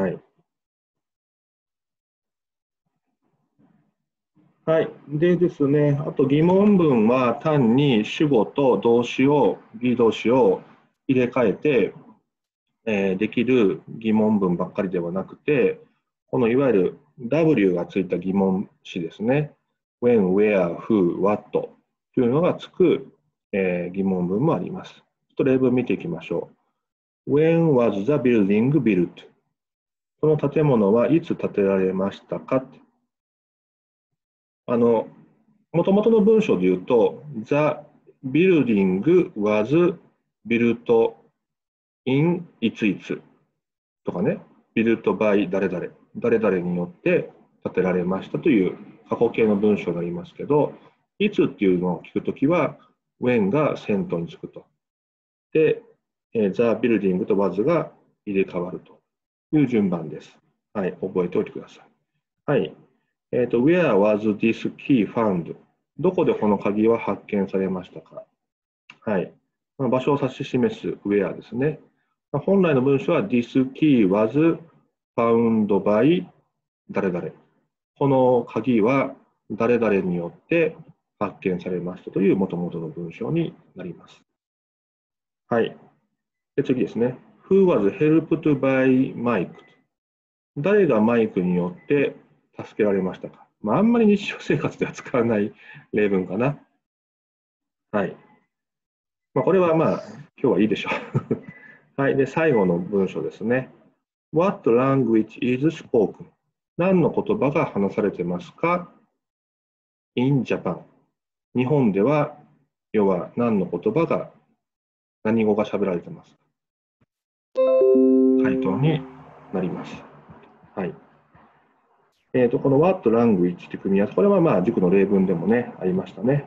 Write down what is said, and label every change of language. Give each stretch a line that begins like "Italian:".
Japanese: はい、はい、でですね、あと疑問文は単に主語と動詞を be 動詞を入れ替えてできる疑問文ばっかりではなくて、このいわゆる W がついた疑問詞ですね、 When, Where, Who, What というのがつく、疑問文もあります。ちょっと例文見ていきましょう。
English: When was the building built?
Japanese: この建物はいつ建てられましたか。もともとの文章で言うと
English: The building was builtin
Japanese: いついつとかね、 built by 誰々誰々によって建てられましたという過去形の文章になりますけど、いつっていうのを聞くときは when が先頭につくと、で the building と was が入れ替わるという順番です。はい、覚えておいてください。
English: はい、where was this key found?
Japanese: どこでこの鍵は発見されましたか。はい、場所を指し示す where ですね。本来の文章は
English: This key was found by
Japanese: 誰々、この鍵は誰々によって発見されましたという元々の文章になります。はい、で次ですね。
English: Who was helped by Mike?
Japanese: 誰がマイクによって助けられましたか。まあ、あんまり日常生活では使わない例文かな。はい、まあ、これはまあ今日はいいでしょう。はい、で最後の文章ですね。
English: What language is spoken?
Japanese: 何の言葉が話されてますか。
English: In Japan、
Japanese: 日本では要は何の言葉が、何語が喋られてますか、回答になります。はい、この What language って組み合わせ、これはまあ塾の例文でもねありましたね。